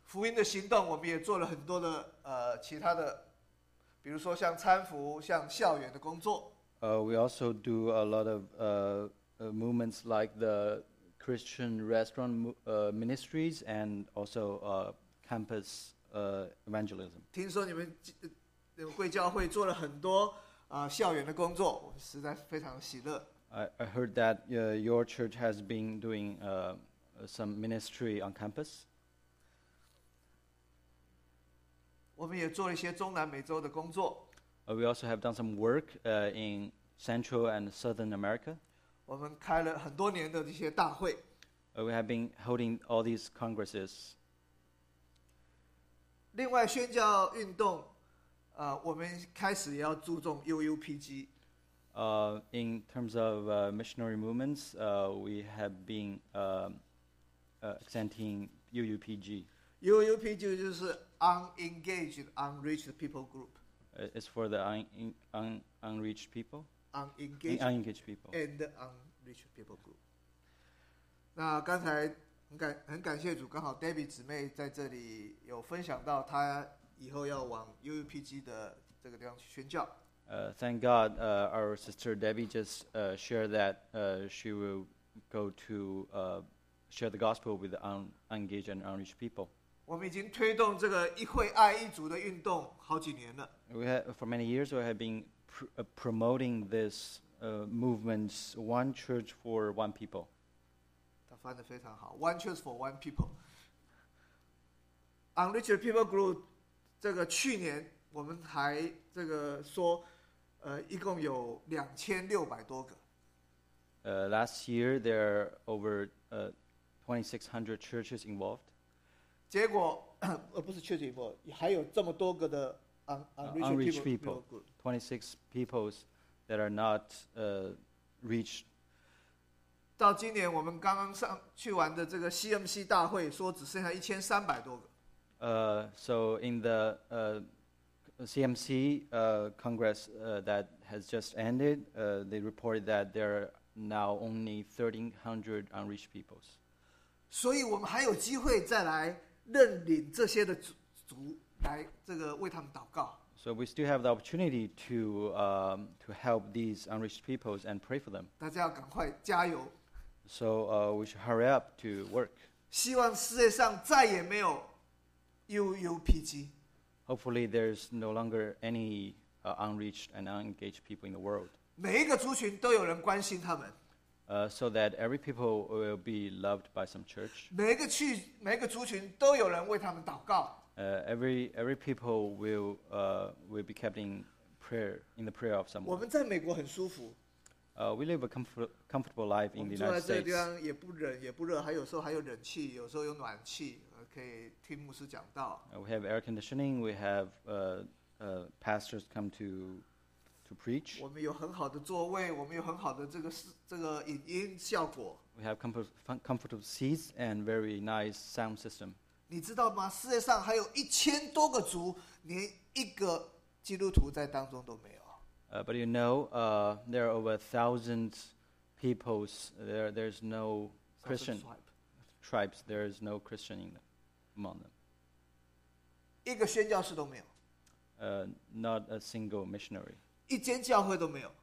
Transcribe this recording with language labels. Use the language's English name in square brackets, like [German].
[Chinese] 福音的行动，我们也做了很多的其他的，比如说像餐服、像校园的工作。 [English] We also do a lot of movements like the Christian restaurant ministries and also campus evangelism. [Chinese] 听说你们贵教会做了很多校园的工作，我们实在非常喜乐。 [English] I heard that your church has been doing some ministry on campus. [Chinese] 我们也做了一些中南美洲的工作。 [English] We also have done some work in Central and Southern America. [Chinese] 我们开了很多年的一些大会。 [English] We have been holding all these congresses. [Chinese] 另外，宣教运动，我们开始也要注重 UUPG。 [English] In terms of missionary movements, we have been accenting UUPG. UUP [Chinese] 就是 [English] Unengaged Unreached People Group. It's for the unreached people. Unengaged people. And the unreached people group. [Chinese] 那刚才很感谢主，刚好 Debbie 姊妹在这里有分享到她以后要往 UUPG 的这个地方去宣教。 [English] Thank God, our sister Debbie just shared that she will go to share the gospel with the unengaged and unreached people. [Chinese] 我们已经推动这个一会爱一族的运动好几年了。 [English] For many years, we have been promoting this movement, one church for one people. [Chinese] 他翻得非常好 ， [English] one church for one people. Unreached people group, [Chinese] 这个去年我们还这个说。一共有2600多个。 [English] Last year there are over 2,600 churches involved. [Chinese] 结果不是 [English] church involved， [Chinese] 还有这么多个的 unreached [English] people group， 26 peoples that are not reached. [Chinese] 到今年我们刚刚上去完的这个 CMC 大会，说只剩下1300多个。 [English] So in the CMC Congress that has just ended, they reported that there are now only 1,300 unreached peoples. [Chinese] 所以我们还有机会再来认领这些的族来这个为他们祷告。 [English] So we still have the opportunity to help these unreached peoples and pray for them. [Chinese] 大家要赶快加油。 [English] So we should hurry up to work. [Chinese] 希望世界上再也没有悠悠脾气。 [English] Hopefully there's no longer any unreached and unengaged people in the world. [Chinese] 每一个族群都有人关心他们。 [English] So that every people will be loved by some church. [Chinese] 每一个族群都有人为他们祷告。 [English] Every people will be kept in the prayer of someone. [Chinese] 我们在美国很舒服。 [English] We live a comfortable life in the United States. [Chinese] 我们住在这个地方也不冷也不热，还有时候还有冷气，有时候有暖气，可以听牧师讲道。 [English] We have air conditioning. We have pastors come to preach. [Chinese] 我们有很好的座位，我们有很好的这个影音效果。 [English] We have comfortable seats and very nice sound system. [Chinese] 你知道吗？世界上还有一千多个族，连一个基督徒在当中都没有。 [English] But you know, there are over 1,000 peoples. There's no Christian tribes. There is no Christian among them. [Chinese] 一个宣教士都没有。 [English] Not a single missionary. [Chinese] 一间教会都没有。